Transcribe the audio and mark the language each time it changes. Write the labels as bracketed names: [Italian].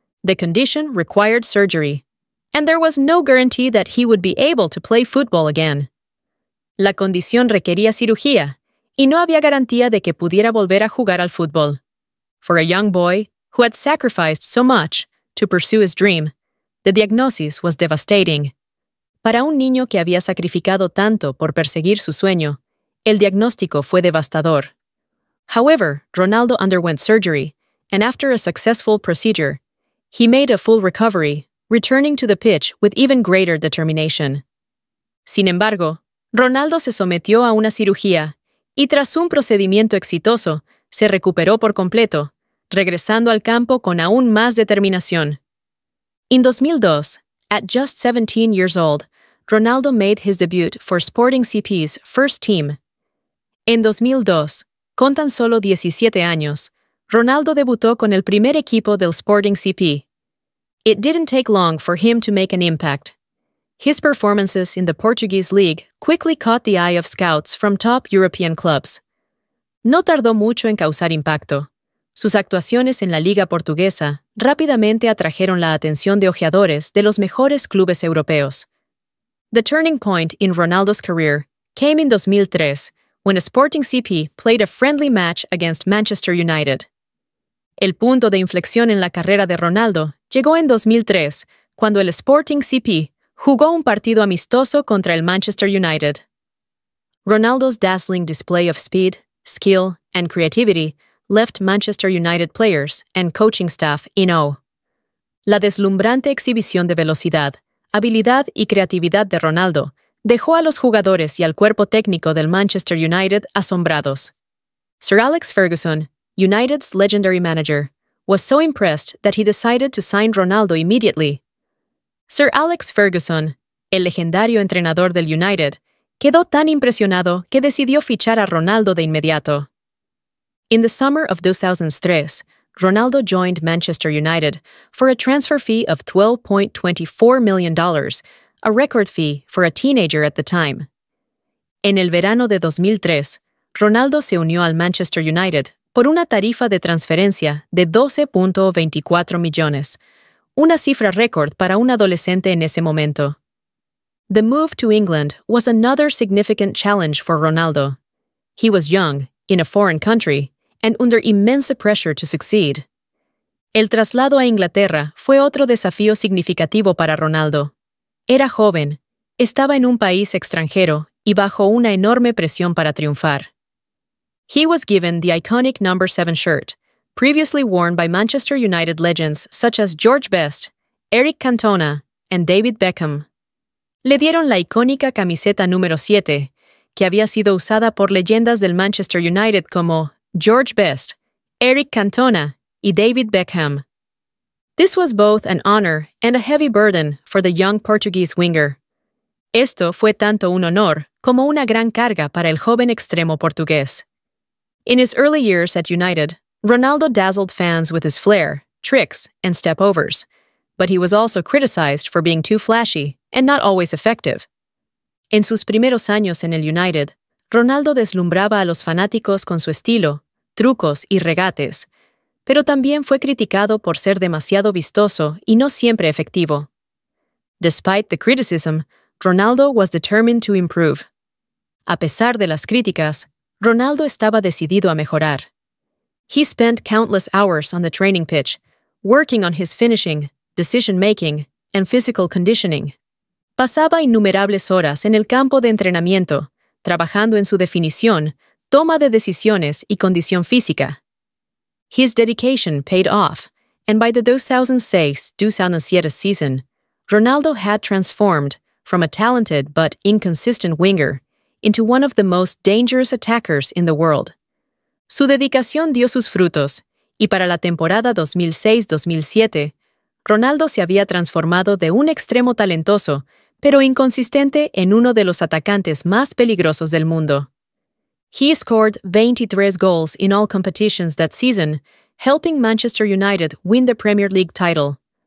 [English] The condition required surgery, and there was no guarantee that he would be able to play football again. [Spanish] La condición requería cirugía, y no había garantía de que pudiera volver a jugar al fútbol. [English] For a young boy who had sacrificed so much to pursue his dream, the diagnosis was devastating. [Spanish] Para un niño que había sacrificado tanto por perseguir su sueño, el diagnóstico fue devastador. [English] However, Ronaldo underwent surgery, and after a successful procedure, he made a full recovery, returning to the pitch with even greater determination. [Spanish] Sin embargo, Ronaldo se sometió a una cirugía, y tras un procedimiento exitoso, se recuperó por completo, regresando al campo con aún más determinación. [English] In 2002, at just 17 years old, Ronaldo made his debut for Sporting CP's first team. [Spanish] En 2002, con tan solo 17 años, Ronaldo debutó con el primer equipo del Sporting CP. [English] It didn't take long for him to make an impact. His performances in the Portuguese league quickly caught the eye of scouts from top European clubs. [Spanish] No tardó mucho en causar impacto. Sus actuaciones en la Liga Portuguesa rápidamente atrajeron la atención de ojeadores de los mejores clubes europeos. [English] The turning point in Ronaldo's career came in 2003, when a Sporting CP played a friendly match against Manchester United. [Spanish] El punto de inflexión en la carrera de Ronaldo llegó en 2003, cuando el Sporting CP jugó un partido amistoso contra el Manchester United. [English] Ronaldo's dazzling display of speed, skill, and creativity left Manchester United players and coaching staff in awe. [Spanish] La deslumbrante exhibición de velocidad, habilidad y creatividad de Ronaldo dejó a los jugadores y al cuerpo técnico del Manchester United asombrados. [English] Sir Alex Ferguson, United's legendary manager, was so impressed that he decided to sign Ronaldo immediately. [Spanish] Sir Alex Ferguson, el legendario entrenador del United, quedó tan impresionado que decidió fichar a Ronaldo de inmediato. [English] In the summer of 2003, Ronaldo joined Manchester United for a transfer fee of $12.24 million, a record fee for a teenager at the time. [Spanish] En el verano de 2003, Ronaldo se unió al Manchester United por una tarifa de transferencia de 12.24 millones, una cifra récord para un adolescente en ese momento. [English] The move to England was another significant challenge for Ronaldo. He was young, in a foreign country, and under immense pressure to succeed. [Spanish] El traslado a Inglaterra fue otro desafío significativo para Ronaldo. Era joven, estaba en un país extranjero y bajo una enorme presión para triunfar. [English] He was given the iconic number 7 shirt, previously worn by Manchester United legends such as George Best, Eric Cantona, and David Beckham. [Spanish] Le dieron la icónica camiseta número 7, que había sido usada por leyendas del Manchester United como George Best, Eric Cantona, y David Beckham. [English] This was both an honor and a heavy burden for the young Portuguese winger. [Spanish] Esto fue tanto un honor como una gran carga para el joven extremo portugués. [English] In his early years at United, Ronaldo dazzled fans with his flair, tricks, and stepovers, but he was also criticized for being too flashy and not always effective. [Spanish] En sus primeros años en el United, Ronaldo deslumbraba a los fanáticos con su estilo, trucos y regates, pero también fue criticado por ser demasiado vistoso y no siempre efectivo. [English] Despite the criticism, Ronaldo was determined to improve. [Spanish] A pesar de las críticas, Ronaldo estaba decidido a mejorar. [English] He spent countless hours on the training pitch, working on his finishing, decision-making, and physical conditioning. [Spanish] Pasaba innumerables horas en el campo de entrenamiento, trabajando en su definición, toma de decisiones y condición física. [English] His dedication paid off, and by the 2006-2007 season, Ronaldo had transformed from a talented but inconsistent winger into one of the most dangerous attackers in the world. [Spanish] Su dedicación dio sus frutos, y para la temporada 2006-2007, Ronaldo se había transformado de un extremo talentoso pero inconsistente en uno de los atacantes más peligrosos del mundo. [English] He scored 23 goals in all competitions that season, helping Manchester United win the Premier League title.